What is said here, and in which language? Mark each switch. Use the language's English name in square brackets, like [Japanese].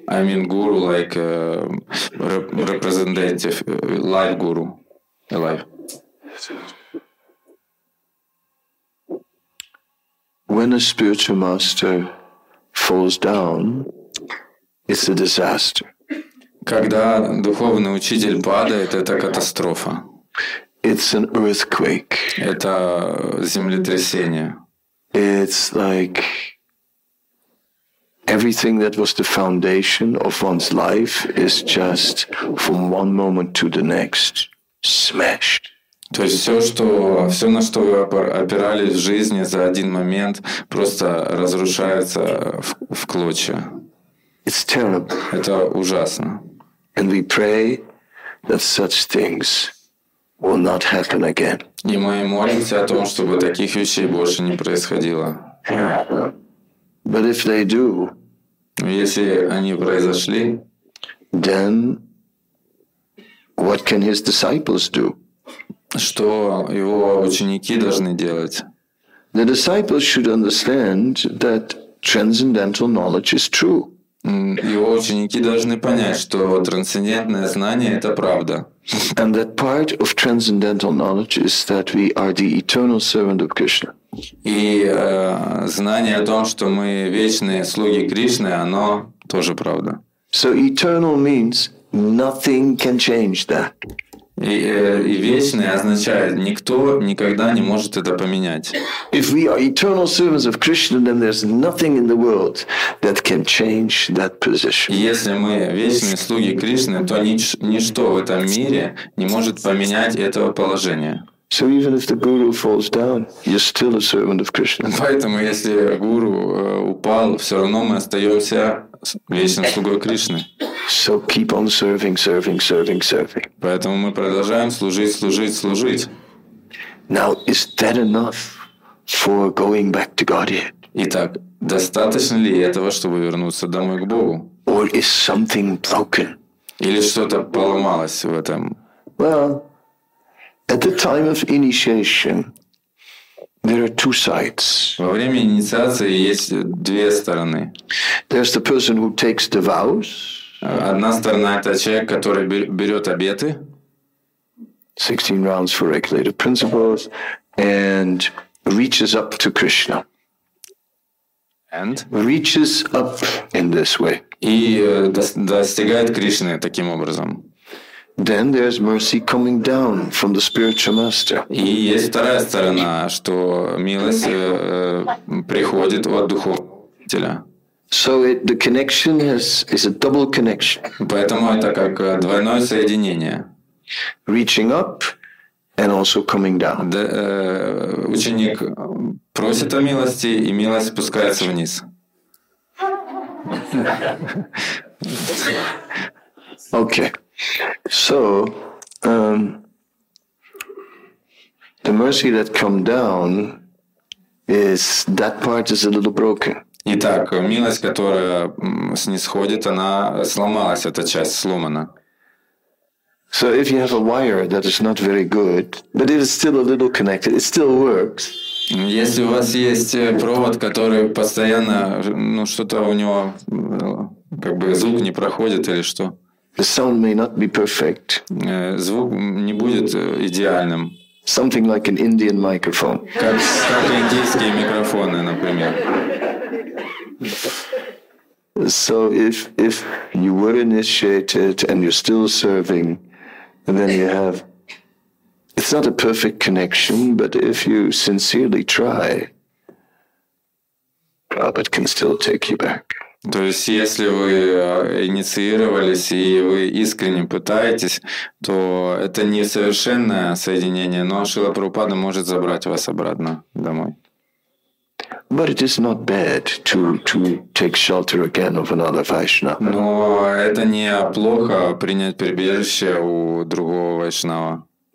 [English] I mean guru like representative, live guru, alive. When a spiritual master falls down, it's a disaster. [Russian] Когда духовный учитель падает, это катастрофа. [English] It's an earthquake. [Russian] Это землетрясение. [English] It's like everything that was the foundation of one's life is just from one moment to the next smashed. [Russian] То есть все, на что вы опирались в жизни за один момент, просто разрушается в клочья. [English] It's terrible. [Russian] Это ужасно. [English] And we pray that such things will not happen again. [Russian] И мы молимся о том, чтобы таких вещей больше не происходило. [English] But if they do, [Russian] если они произошли, [English] then what can his disciples do? [Russian] Что его ученики должны делать? [English] The disciples should understand that transcendental knowledge is true. [Russian] Его ученики должны понять, что трансцендентное знание – это правда. [English] And that part of transcendental knowledge is that we are the eternal servant of Krishna. [Russian] И знание о том, что мы вечные слуги Кришны, оно тоже правда. [English] So eternal means nothing can change that. [Russian] И вечный означает, никто никогда не может это поменять. [English] If we are eternal servants of Krishna, then there's nothing in the world that can change that position. [Russian] Если мы вечные слуги Кришны, то ничто в этом мире не может поменять этого положения. [English] So even if the guru falls down, you're still a servant of Krishna. [Russian] Поэтому если гуру упал, все равно мы остаемся вечным слугой Кришны. [English] So keep on serving. [Russian] Поэтому мы продолжаем служить. [English] Now is that enough for going back to Godhead? [Russian] Итак, достаточно ли этого, чтобы вернуться домой к Богу? [English] Or is something broken? [Russian] Или что-то поломалось в этом? [English] Well, at the time of initiation, there are two sides. [Russian] Во время инициации есть две стороны. [English] There's the person who takes the vows. [Russian] Одна сторона – это человек, который берет обеты. [English] 16 rounds for regulative principles and reaches up to Krishna. And? Reaches up in this way. [Russian] И достигает Кришны таким образом. [English] Then there's mercy coming down from the spiritual master. [Russian] И есть вторая сторона, что милость приходит от духовителя. [English] So it, the connection is a double connection. [Russian] Поэтому это как двойное соединение. [English] Reaching up and also coming down. [Russian] Ученик просит о милости, и милость спускается вниз. [English] Okay. So the mercy that come down is that part is a little broken. [Russian] Итак, милость, которая снисходит, она сломалась, эта часть сломана. [English] So if you have a wire that is not very good, but it is still a little connected, it still works. [Russian] Если у вас есть провод, который постоянно, ну что-то у него как бы звук не проходит или что? [English] The sound may not be perfect. [Russian] Звук не будет идеальным. [English] Something like an Indian microphone. [Russian] Как индийские микрофоны, например. [English] So if you were initiated and you're still serving, then you have, it's not a perfect connection, but if you sincerely try, Prabhupada can still take you back. [Russian] То есть, если вы инициировались и вы искренне пытаетесь, то это не совершенное соединение, но Шрила Прабхупада может забрать вас обратно домой. [English] But it is not bad to take shelter again of another Vaishnava. [Russian] Но это не плохо принять прибежище у другого Вайшнава.